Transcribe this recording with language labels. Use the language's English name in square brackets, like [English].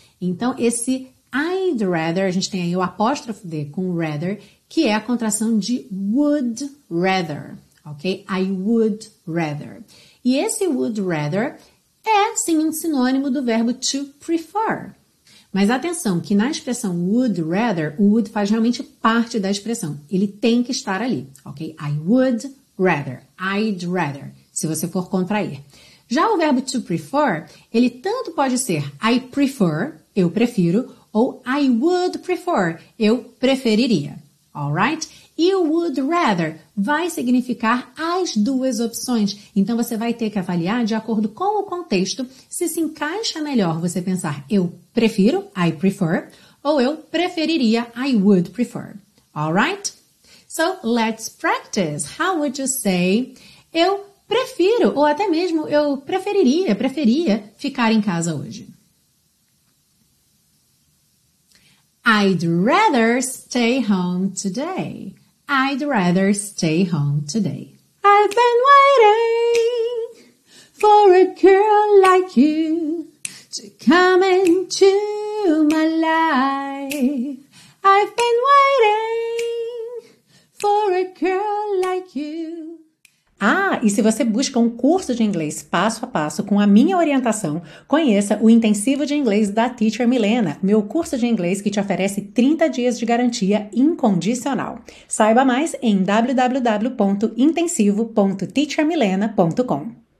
[Portuguese] Então, esse I'd rather, a gente tem aí o apóstrofo D com rather, que é a contração de would rather, ok? [English] I would rather. [Portuguese] E esse would rather é, sim, um sinônimo do verbo to prefer. Mas atenção, que na expressão would rather, o would faz realmente parte da expressão. Ele tem que estar ali, ok? [English] I would rather, I'd rather, [Portuguese] se você for contrair. Já o verbo to prefer, ele tanto pode ser [English] I prefer, [Portuguese] eu prefiro, ou [English] I would prefer, [Portuguese] eu preferiria, alright? E o would rather vai significar as duas opções. Então, você vai ter que avaliar de acordo com o contexto se encaixa melhor você pensar eu prefiro, [English] I prefer, [Portuguese] ou eu preferiria, [English] I would prefer. [Portuguese] Alright? [English] So, let's practice. How would you say [Portuguese] eu prefiro, ou até mesmo eu preferia ficar em casa hoje? [English] I'd rather stay home today. I'd rather stay home today. I've been waiting for a girl like you to come into my life. I've been waiting for a girl like you. [Portuguese] Ah, e se você busca um curso de inglês passo a passo com a minha orientação, conheça o Intensivo de Inglês da Teacher Milena, meu curso de inglês que te oferece 30 dias de garantia incondicional. Saiba mais em www.intensivo.teachermilena.com.